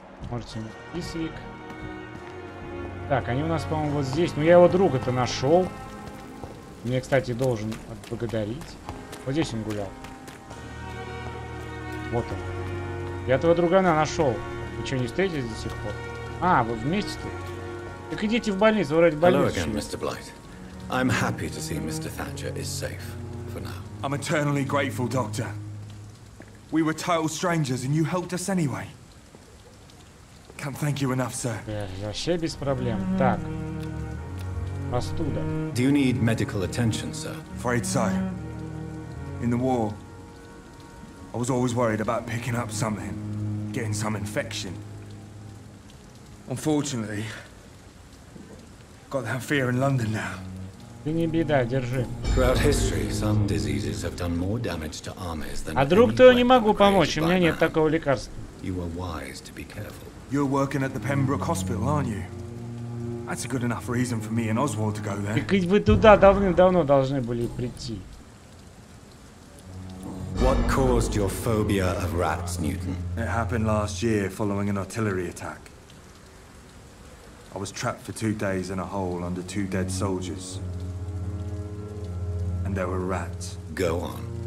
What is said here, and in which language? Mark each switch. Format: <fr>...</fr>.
<ru>Мартин Исвик. Так, они у нас, по-моему, вот здесь. Ну, я его друга-то нашел. Мне, кстати, должен отблагодарить. Вот здесь он гулял. Вот он. Я твоего другана нашел. Вы что, не встретились до сих пор? А, вы вместе тут? Так идите в больницу, вроде больницу.</ru> <en>Hello again, Mr. Blight. I'm happy to see Mr. Thatcher is safe for now. I'm eternally grateful, Doctor. We were total strangers, and you helped us anyway. Can't thank you enough, sir.</en> <ru>Вообще без проблем. Так. Простуда.</ru> <en>Do you need medical attention, sir? Afraid so. In the war, I was always worried about picking up something, getting some infection. Unfortunately, got that fear in London now.</en> <ru>Не беда, держи.</ru> <en>Throughout history, some diseases have done more damage to armies than.</en> <ru>А друг, то не могу помочь, у меня нет такого лекарства.</ru> <en>You are wise to be careful. You're working at the Pembroke Hospital, aren't you? That's a good enough reason for me and Oswald to go there.</en> <ru>Так ведь вы туда давным-давно должны были прийти.</ru> <en>What caused your phobia of rats, Newton? It happened last year following an artillery attack. I was trapped for 2 days in a hole under 2 dead soldiers. And there were rats. Go on.</en>